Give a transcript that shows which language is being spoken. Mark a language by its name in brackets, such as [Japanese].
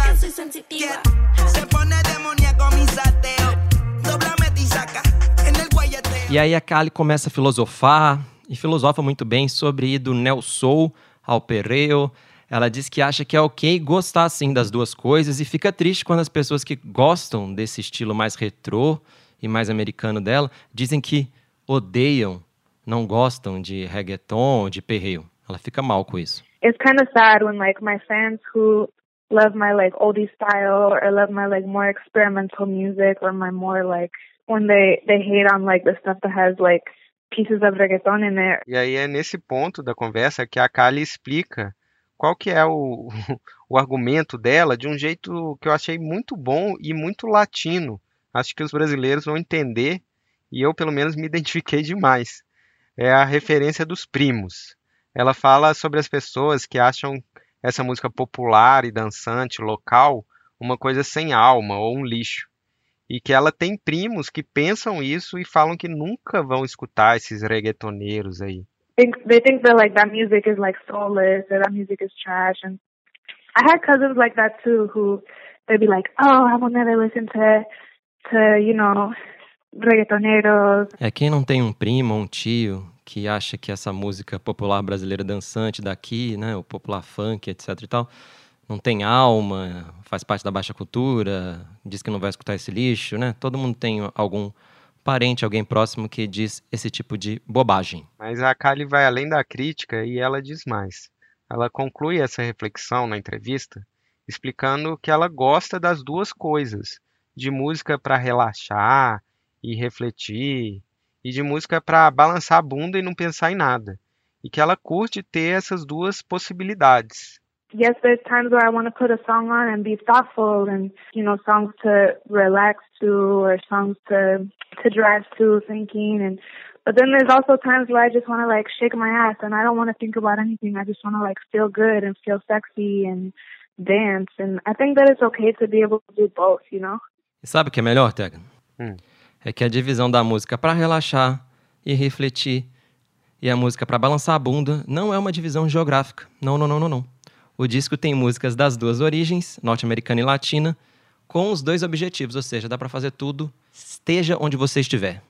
[Spanish] Sensitiva, se pone demoníaco mi sateo, doblame y saca en el guayateo. [Portuguese] E aí a Kali começa a filosofar, e filosofa muito bem sobre ir do Neo Soul ao perreo. Ela diz que acha que é ok gostar assim das duas coisas e fica triste quando as pessoas que gostam desse estilo mais retrô e mais americano dela dizem que odeiam, não gostam de reggaeton ou de perreo. Ela fica mal com isso. [English] It's kind of sad when like my fans who love my like oldie style or love my like more experimental music or my more like when they hate on like the stuff that has like pieces of reggaeton in there. [Portuguese] E aí é nesse ponto da conversa que a Kali explica qual que é o argumento dela de um jeito que eu achei muito bom e muito latino. Acho que os brasileiros vão entender e eu, pelo menos, me identifiquei demais. É a referência dos primos. Ela fala sobre as pessoas que acham essa música popular e dançante, local, uma coisa sem alma ou um lixo. E que ela tem primos que pensam isso e falam que nunca vão escutar esses reggaetoneiros aí. [English] They think that like that music is like soulless, or that music is trash. And I had cousins like that too, who they'd be like, "Oh, I will never listen to you know, reggaetoneros." [Portuguese] É quem não tem um primo, um tio que acha que essa música popular brasileira dançante daqui, né, o popular funk, etc. e tal, não tem alma, faz parte da baixa cultura, diz que não vai escutar esse lixo, né? Todo mundo tem algum parente, alguém próximo que diz esse tipo de bobagem. Mas a Kali vai além da crítica e ela diz mais. Ela conclui essa reflexão na entrevista explicando que ela gosta das duas coisas, de música para relaxar e refletir e de música para balançar a bunda e não pensar em nada. E que ela curte ter essas duas possibilidades. [English] Yes, there's times where I want to put a song on and be thoughtful and, you know, songs to relax to or songs to drive to thinking. And but then there's also times where I just want to, like, shake my ass and I don't want to think about anything. I just want to, like, feel good and feel sexy and dance. And I think that it's okay to be able to do both, you know? [Portuguese] E sabe o que é melhor, Tegan? É que a divisão da música para relaxar e refletir e a música para balançar a bunda não é uma divisão geográfica. Não. O disco tem músicas das duas origens, norte-americana e latina, com os dois objetivos, ou seja, dá para fazer tudo, esteja onde você estiver.